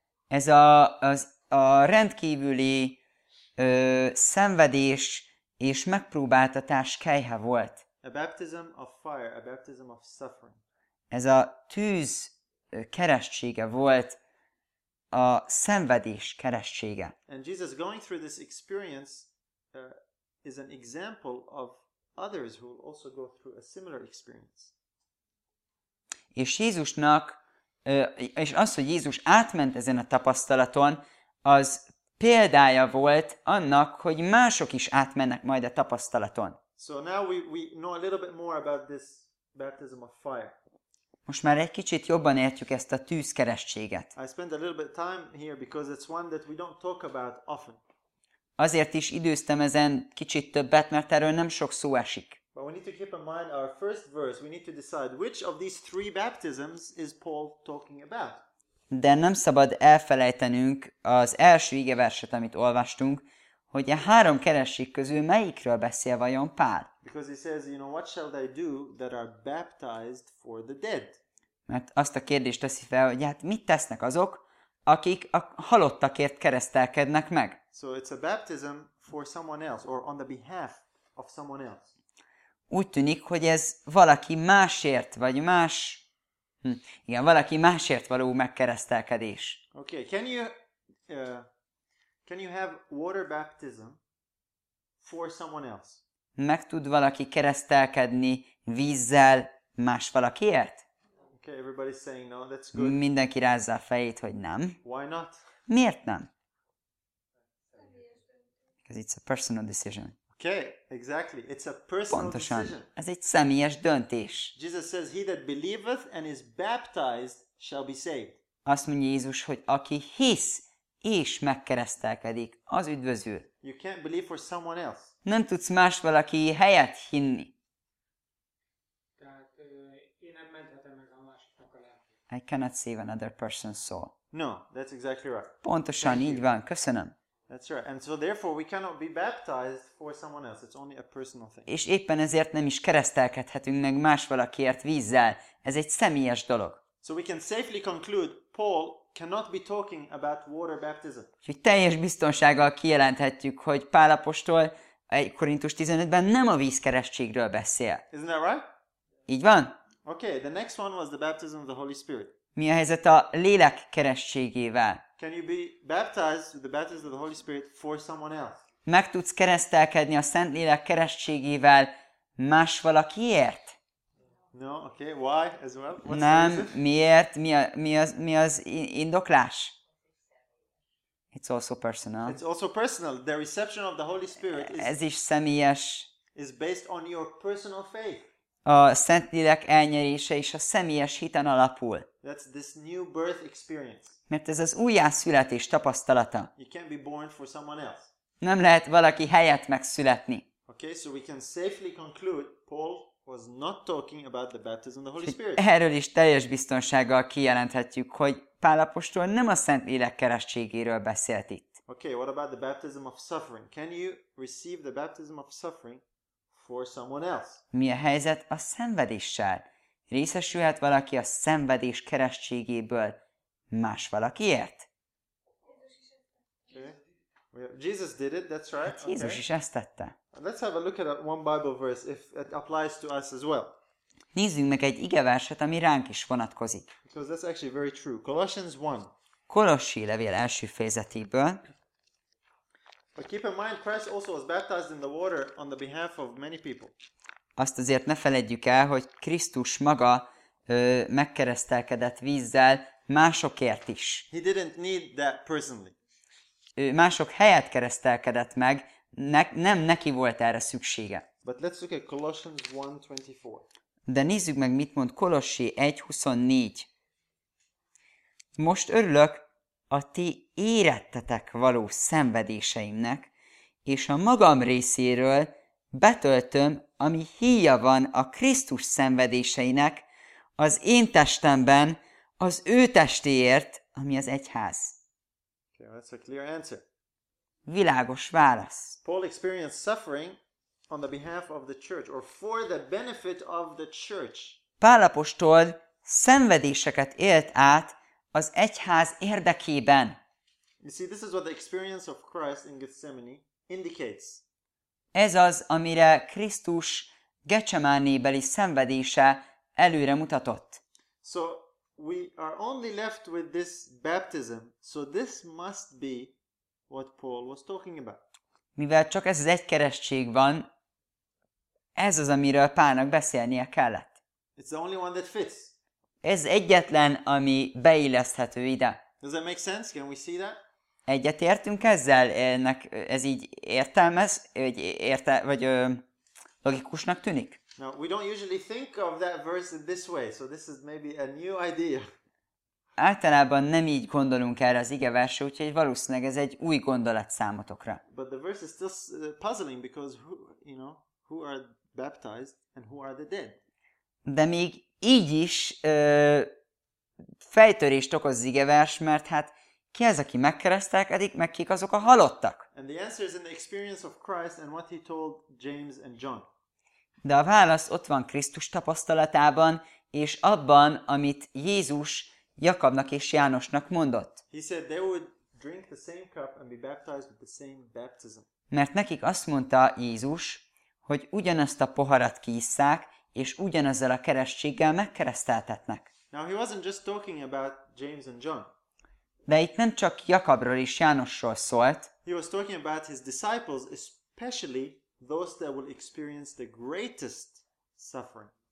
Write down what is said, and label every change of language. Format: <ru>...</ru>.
<hu>Ez a rendkívüli szenvedés és megpróbáltatás kelyhe volt.</hu> <en>A baptism of fire, a baptism of suffering.</en> <hu>Ez a tűz keresztsége volt, a szenvedés keresztsége.</hu> <en>And Jesus going through this experience is an example of others who will also go through a similar experience.</en> <hu>És Jézusnak, és az, hogy Jézus átment ezen a tapasztalaton, az példája volt annak, hogy mások is átmennek majd a tapasztalaton.</hu> <en>So now we know a little bit more about this baptism of fire.</en> <hu>Most már egy kicsit jobban értjük ezt a tűzkeresztséget.</hu> <en>I spend a little bit time here because it's one that we don't talk about often.</en> <hu>Azért is időztem ezen kicsit többet, mert erről nem sok szó esik.</hu> <en>But we need to keep in mind our first verse. We need to decide which of these three baptisms is Paul talking about.</en> <hu>De nem szabad elfelejtenünk az első igeverset, amit olvastunk, hogy a három keresztség közül melyikről beszél vajon Pál.</hu> <en>Because he says, you know, what shall they do that are baptized for the dead?</en> <hu>Mert azt a kérdést teszi fel, hogy hát mit tesznek azok, akik a halottakért keresztelkednek meg?</hu> <en>So it's a baptism for someone else, or on the behalf of someone else.</en> <hu>Úgy tűnik, hogy ez valaki másért, vagy más... Igen, valaki másért való megkeresztelkedés.</hu> <en>Okay, can you have water baptism for someone else?</en> <hu>Meg tud valaki keresztelkedni vízzel más valakiért?</hu> <en>Okay, everybody's saying no, that's good.</en> <hu>Mindenki rázza a fejét, hogy nem.</hu> <en>Why not?</en> <hu>Miért nem?</hu> <en>Because it's a personal decision. Okay, exactly. It's a personal</en> <hu>Pontosan.</hu> <en>Decision.</en> <hu>Ez egy személyes döntés.</hu> <en>Jesus says, he that believeth and is baptized shall be saved.</en> <hu>Azt mondja Jézus, hogy aki hisz és megkeresztelkedik, az üdvözül.</hu> <en>You can't believe for someone else.</en> <hu>Nem tudsz más valaki helyett hinni. Tehát én nem menthetem meg a másiknak a lelkét.</hu> <en>I cannot save another person's soul. No, that's exactly right.</en> <hu>Pontosan, így van. Köszönöm.</hu> <en>That's right. And so therefore we cannot be baptized for someone else. It's only a personal thing.</en> <hu>És éppen ezért nem is keresztelkedhetünk meg más valakiért vízzel. Ez egy személyes dolog.</hu> <en>So we can safely conclude Paul cannot be talking about water baptism.</en> <hu>Úgyhogy teljes biztonsággal kijelenthetjük, hogy Pál apostol 1 Korintus 15-ben nem a vízkeresztségről beszél.</hu> <en>Isn't that right?</en> <hu>Így van.</hu> <en>Okay, the next one was the baptism of the Holy Spirit.</en> <hu>Mi a helyzet a lélek keresztségével?</hu> <en>Can you be baptized with the baptism of the Holy Spirit for someone else?</en> <hu>Meg tudsz keresztelkedni a Szentlélek keresztségével más valakiért?</hu> <en>No, okay, why as well? What's</en> <hu>Nem, miért? Mi az indoklás?</hu> <en>It's also personal. It's also personal. The reception of the Holy Spirit is</en> <hu>Ez is személyes.</hu> <en>Is based on your personal faith.</en> <hu>A Szentlélek elnyerése is a személyes hiten alapul.</hu> <en>That's this new birth experience.</en> <hu>Mert ez az újjászületés tapasztalata.</hu> <en>You can't be born for someone else.</en> <hu>Nem lehet valaki helyett megszületni.</hu> <en>Okay, so we can safely conclude Paul was not talking about the baptism of the Holy Spirit.</en> <hu>Erről is teljes biztonsággal kijelenthetjük, hogy Pál apostol nem a Szentlélek keresztségéről beszélt itt.</hu> <en>Okay, what about the baptism of suffering? Can you receive the baptism of suffering for someone else?</en> <hu>Mi a helyzet a szenvedéssel? Részesülhet valaki a szenvedés keresztségéből más valakiért?</hu> <en>Okay. Jesus did it, that's right.</en> <hu>Hát Jézus is ezt tette.</hu> <en>Let's have a look at one Bible verse if it applies to us as well.</en> <hu>Nézzünk meg egy igeverset, ami ránk is vonatkozik.</hu> <en>Because that's actually very true. Colossians 1.</en> <hu>Kolossi levél első fejezetéből.</hu> <en>But keep in mind, Christ also was baptized in the water on the behalf of many people.</en> <hu>Azt azért ne feledjük el, hogy Krisztus maga megkeresztelkedett vízzel másokért is.</hu> <en>He didn't need that personally.</en> <hu>Ő mások helyett keresztelkedett meg, nem neki volt erre szüksége.</hu> <en>But let's look at Colossians 1:24.</en> <hu>De nézzük meg, mit mond Kolossi 1:24. Most örülök a ti érettetek való szenvedéseimnek, és a magam részéről Betöltöm, ami híja van a Krisztus szenvedéseinek, az én testemben, az ő testéért, ami az egyház.</hu> <en>Okay, that's a clear answer.</en> <hu>Világos válasz.</hu> <en>Paul experienced suffering on the behalf of the church, or for the benefit of the church.</en> <hu>Pál apostol szenvedéseket élt át az egyház érdekében.</hu> <en>You see, this is what the experience of Christ in Gethsemane indicates.</en> <hu>Ez az, amire Krisztus Getsemánébeli szenvedése előre mutatott.</hu> <en>So we are only left with this baptism, so this must be what Paul was talking about.</en> <hu>Mivel csak ez az egy keresztség van, ez az, amiről Pálnak beszélnie kellett.</hu> <en>It's the only one that fits.</en> <hu>Ez egyetlen, ami beilleszthető ide.</hu> <en>Does that make sense? Can we see that?</en> <hu>Egyetértünk ezzel? Ennek ez így értelmez, vagy, logikusnak tűnik?</hu> <en>No, we don't usually think of that verse in this way, so this is maybe a new idea.</en> <hu>Általában nem így gondolunk erre az igeversre, úgyhogy valószínűleg ez egy új gondolat számotokra.</hu> <en>But the verse is still puzzling because who, you know, who are baptized and who are the dead?</en> <hu>De még így is fejtörést okoz az igevers, mert hát ki az, aki megkeresztelkedik, meg kik azok a halottak?</hu> <en>And the answer is in the experience of Christ and what he told James and John.</en> <hu>De a válasz ott van Krisztus tapasztalatában, és abban, amit Jézus Jakabnak és Jánosnak mondott.</hu> <en>He said they would drink the same cup and be baptized with the same baptism.</en> <hu>Mert nekik azt mondta Jézus, hogy ugyanazt a poharat kiisszák, és ugyanazzal a keresztséggel megkereszteltetnek.</hu> <en>Now he wasn't just talking about James and John.</en> <hu>De itt nem csak Jakabról és Jánosról szólt.</hu> <en>He was talking about his disciples, especially those that will experience the greatest suffering.</en>